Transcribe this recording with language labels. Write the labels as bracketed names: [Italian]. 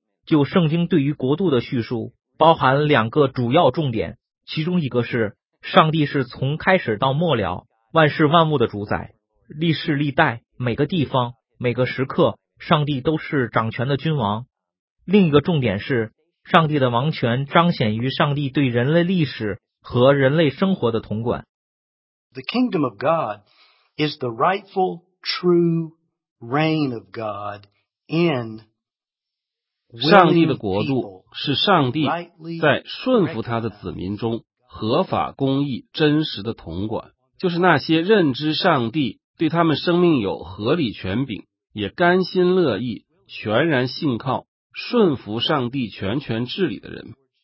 [Chinese] 就圣经对于国度的叙述包含两个主要重点，其中一个是上帝是从开始到末了万事万物的主宰，历世历代每个地方每个时刻上帝都是掌权的君王。另一个重点是上帝的王权彰显于上帝对人类历史和人类生活的统管。 [English] The kingdom of God is the rightful true reign of God in [Chinese] 上帝的国度是上帝在顺服他的子民中合法公义真实的统管，就是那些认知上帝对他们生命有合理权柄，也甘心乐意全然信靠顺服上帝全权治理的人。